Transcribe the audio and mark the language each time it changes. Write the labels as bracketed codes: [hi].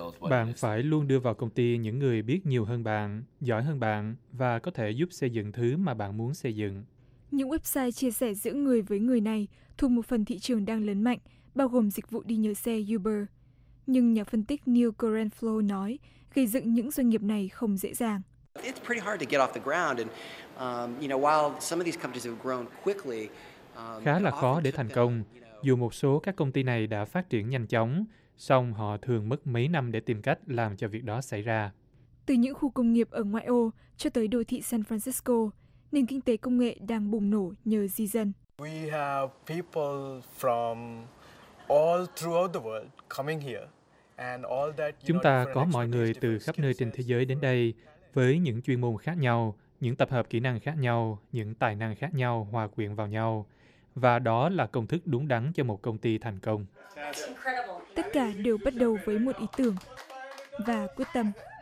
[vi] Bạn phải luôn đưa vào công ty những người biết nhiều hơn bạn, giỏi hơn bạn và có thể giúp xây dựng thứ mà bạn muốn xây dựng. Những website chia sẻ giữa người với người này thuộc một phần thị trường đang lớn mạnh bao gồm dịch vụ đi nhờ xe Uber. Nhưng nhà phân tích Neil Grenfell nói, gây dựng những doanh nghiệp này không dễ dàng. [en] It's pretty hard to get off the ground and you know, while some of these companies have grown quickly, [vi] khá là khó để thành công. Dù một số các công ty này đã phát triển nhanh chóng, song họ thường mất mấy năm để tìm cách làm cho việc đó xảy ra. Từ những khu công nghiệp ở ngoại ô cho tới đô thị San Francisco, nền kinh tế công nghệ đang bùng nổ nhờ di dân. [en] We have people from all throughout the world coming here and all that. [vi] Chúng ta có mọi người từ khắp nơi trên thế giới đến đây với những chuyên môn khác nhau, những tập hợp kỹ năng khác nhau, những tài năng khác nhau hòa quyện vào nhau. Và đó là công thức đúng đắn cho một công ty thành công. Tất cả đều bắt đầu với một ý tưởng và quyết tâm.